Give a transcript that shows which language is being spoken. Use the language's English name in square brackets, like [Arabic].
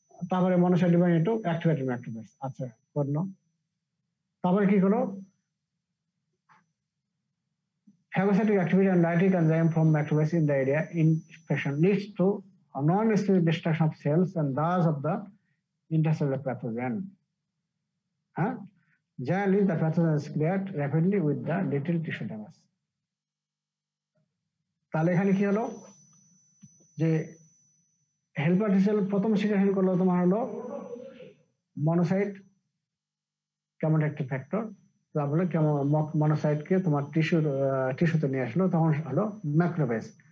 [English] তারপরে monocyte differentiate to activated macrophage [Bangla] আছে করলো, তারপরে কি করলো [English] phagocytic activity and lytic enzyme from macrophages in the area in fashion leads to a non-specific destruction of cells and thus of the intracellular pathogen. Generally, the pathogen is cleared rapidly with the little tissue damage. [Bangla] তাহলে এখানে কি হলো যে helper T cell প্রথম শিকার করলো তোমার হলো monocyte chemotactic factor, তারপরে কেমন মনোসাইটকে তোমার টিস্যুর টিস্যুতে নিয়ে আসলো, তখন হলো ম্যাক্রোফেজ।